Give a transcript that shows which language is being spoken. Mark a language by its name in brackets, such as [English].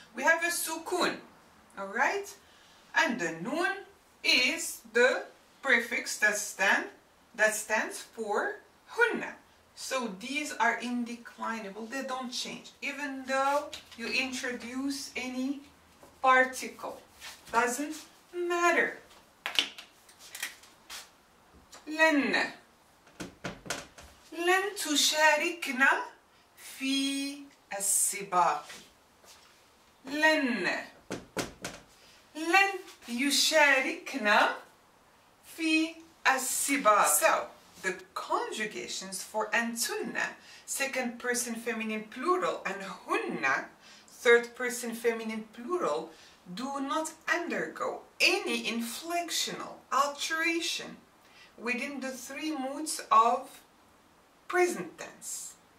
[English] We have a sukun, alright? And the nun is the prefix that stands for hunna. So these are indeclinable, they don't change. Even though you introduce any particle, doesn't matter. [Arabic] لن لن تشاركنا في السباق لن لن يشاركنا في السباق. [English] So the conjugations for أنتن, second person feminine plural, and هن, third person feminine plural, do not undergo any inflectional alteration within the three moods of present tense.